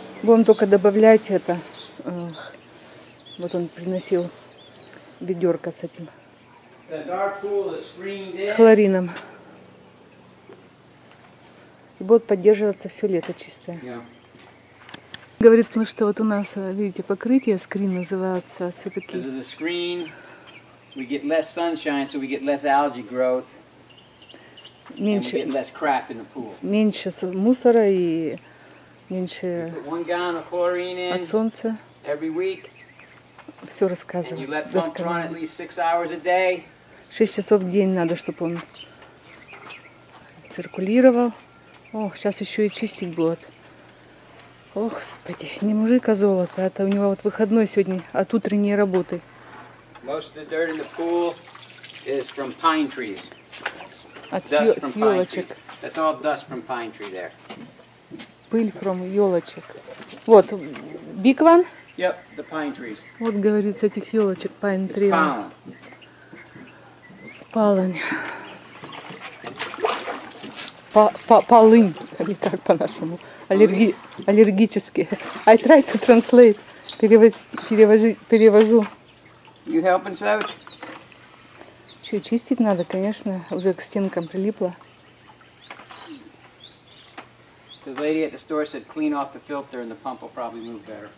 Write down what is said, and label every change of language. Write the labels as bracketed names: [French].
[Russian] Будем только добавлять это. Вот он приносил ведерко с этим. С хлорином. И будет поддерживаться все лето чистое. [English] Yeah. [Russian] Говорит, ну что, вот у нас, видите, покрытие, скрин называется, все-таки. Из-за скрин, [English] we get less sunshine, so we get less algae growth. [Russian] Меньше. [English] And we get less crap in the pool. [Russian] Меньше мусора и меньше. [English] You put 1 gallon of chlorine in. [Russian] От солнца. [English] Every week. [Russian] Все рассказывает. [English] And you let bunk run at least 6 hours a day. [Russian] 6 часов в день надо, чтобы он циркулировал. О, сейчас еще и чистить будет. Ох, господи, не мужик, а золото. Это у него вот выходной сегодня от утренней работы. [English] Most of the dirt in the pool is from pine trees. [Russian] От [English] дуст from [Russian] елочек. [English] Pine trees. That's all dust from pine tree there. [Russian] Пыль [English] from [Russian] елочек. Вот, [English] big one? Yep, the pine trees. [Russian] Вот, говорит, с этих елочек, [English] pine tree. It's palm. [Russian] Палань. Полынь, не так по-нашему. Аллергический. [English] I try to translate. [Russian] Перевожу. [English] You helping, Savage? [Russian] Что, чистить надо, конечно. Уже к стенкам прилипло. [English] The lady at the store said clean off the filter and the pump will probably move better.